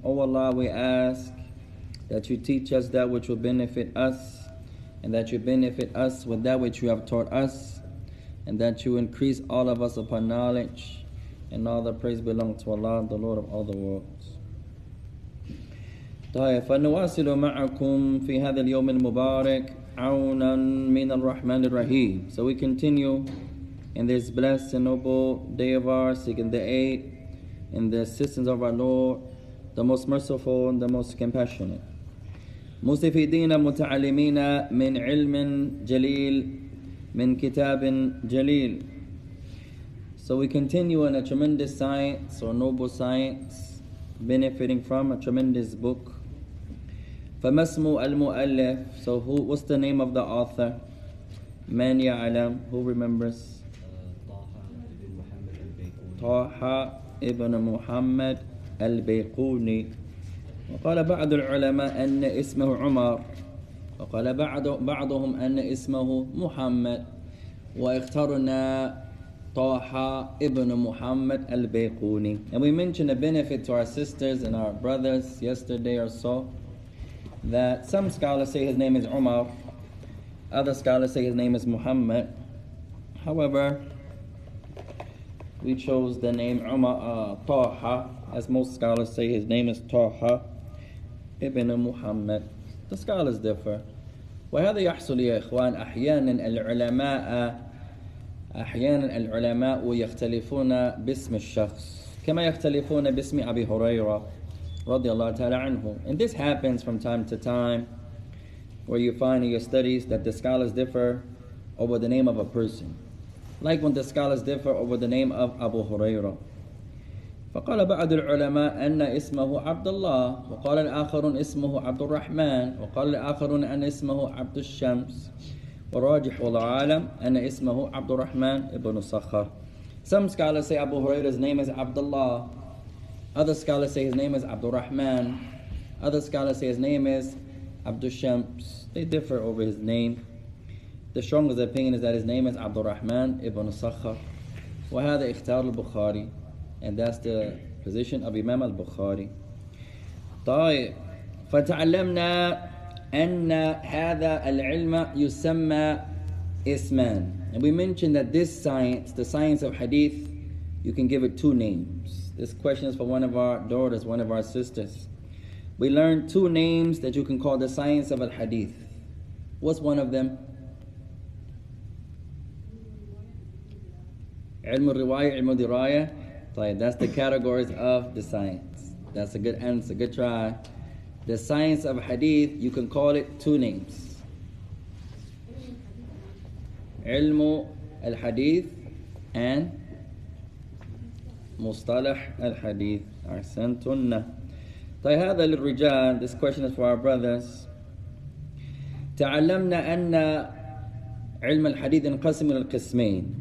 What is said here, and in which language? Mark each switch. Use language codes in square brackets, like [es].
[en] Oh Allah, we ask that you teach us that which will benefit us, and that you benefit us with that which you have taught us, and that you increase all of us upon knowledge, and all the praise belong to Allah, the Lord of all the worlds. [ar] طيب فنواصل معكم في هذا اليوم المبارك عونا من الرحمن الرحيم. [en] So we continue in this blessed and noble day of ours, seeking the aid and the assistance of our Lord, the most merciful and the most compassionate. [ar] مستفيدين متعلمين من علم جليل من كتاب جليل. [en] So we continue in a tremendous science or noble science, benefiting from a tremendous book. [ar] فما اسم المؤلف؟ [en] So who, what's the name of the author? [ar] من يعلم؟ [en] Who remembers? [ar] طه ابن محمد البيقوني. وقال بعض العلماء أن اسمه عمر. وقال بعضهم أن اسمه محمد. واخترنا طه ابن محمد البيقوني. [en] And we mentioned a benefit to our sisters and our brothers yesterday or so, that some scholars say his name is Umar, other scholars say his name is Muhammad. However, we chose the name Umar Taha, as most scholars say his name is Taha ibn Muhammad. The scholars differ. [ar] وهذا يحصل يا إخوان أحيانا العلماء يختلفون باسم الشخص كما يختلفون باسم أبي هريرة رضي الله تعالى عنه. [en] And this happens from time to time, where you find in your studies that the scholars differ over the name of a person. Like when the scholars differ over the name of Abu Hurairah. [ar] فقال بعض العلماء أن اسمه عبد الله وقال الآخرون اسمه عبد الرحمن وقال الآخرون أن اسمه عبد الشمس وراجح العالم أن اسمه عبد الرحمن ابن صخر. [en] Some scholars say Abu Hurairah's name is Abdullah. Other scholars say his name is Abdul Rahman. Other scholars say his name is Abdul Shams. They differ over his name. The strongest opinion is that his name is Abdul Rahman ibn Sakhar. [ar] وهذا اختار البخاري. [en] And that's the position of Imam al-Bukhari. طيب. [ar] فتعلمنا أن هذا العلم يسمى اسمان. [en] And we mentioned that this science, the science of hadith, you can give it two names. This question is for one of our daughters, one of our sisters. We learned two names that you can call the science of al-hadith. What's one of them? [ar] علم الرواية علم الدراية. [en] That's the categories of the science. That's a good answer, good try. The science of hadith, you can call it two names. [ar] علم الحديث and مصطلح الحديث أحسنتنا. طيب هذا للرجال. [en] This question is for our brothers. [ar] تعلمنا أن علم الحديث انقسم إلى قسمين.